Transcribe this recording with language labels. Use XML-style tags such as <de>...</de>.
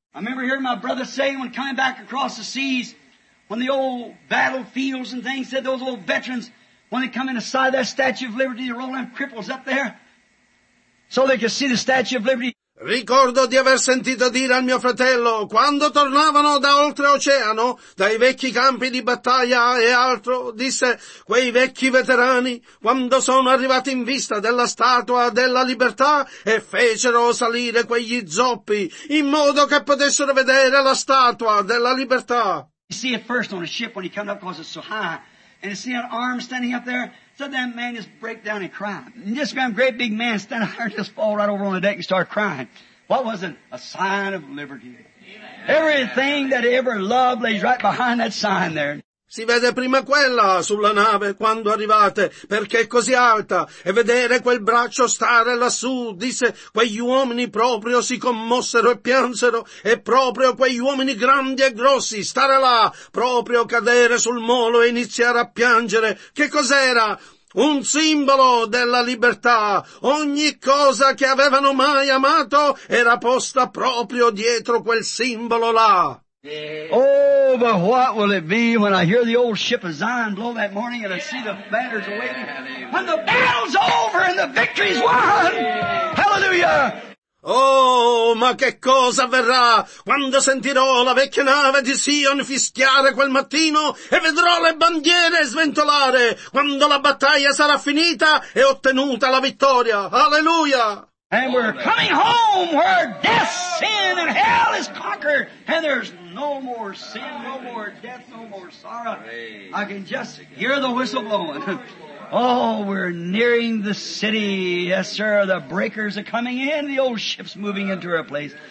<en>I remember hearing my brother say when coming back across the seas, when the old battlefields and things, said those old veterans, when they come in inside that Statue of Liberty, they roll them cripples up there so they can see the Statue of Liberty.</en> <it>Ricordo di aver sentito dire al mio fratello, quando tornavano da oltreoceano, dai vecchi campi di battaglia e altro, disse, quei vecchi veterani, quando sono arrivati in vista della Statua della Libertà, e fecero salire quegli zoppi, in modo che potessero vedere la Statua della Libertà.</it> <en>You see it first on a ship when you come up because it's so high. And to see an arm standing up there, so that man just break down and cry. And just some great big man standing there just fall right over on the deck and start crying. What was it? A sign of liberty. Everything that ever loved lays right behind that sign there.</en> <it>Si vede prima quella sulla nave quando arrivate, perché è così alta, e vedere quel braccio stare lassù, disse, quegli uomini proprio si commossero e piansero, e proprio quegli uomini grandi e grossi stare là, proprio cadere sul molo e iniziare a piangere, che cos'era? Un simbolo della libertà. Ogni cosa che avevano mai amato era posta proprio dietro quel simbolo là.</it> <en>Oh, but what will it be when I hear the old ship of Zion blow that morning and I see the banners waving? When the battle's over and the victory's won! Hallelujah!</en> <it>Oh, ma che cosa avverrà quando sentirò la vecchia nave di Sion fischiare quel mattino e vedrò le bandiere sventolare quando la battaglia sarà finita e ottenuta la vittoria. Alleluia!</it> <en>And we're coming home where death, sin, and hell is conquered. And there's no more sin, no more death, no more sorrow. I can just hear the whistle blowing. Oh, we're nearing the city. Yes, sir. The breakers are coming in. The old ship's moving into her place.</en>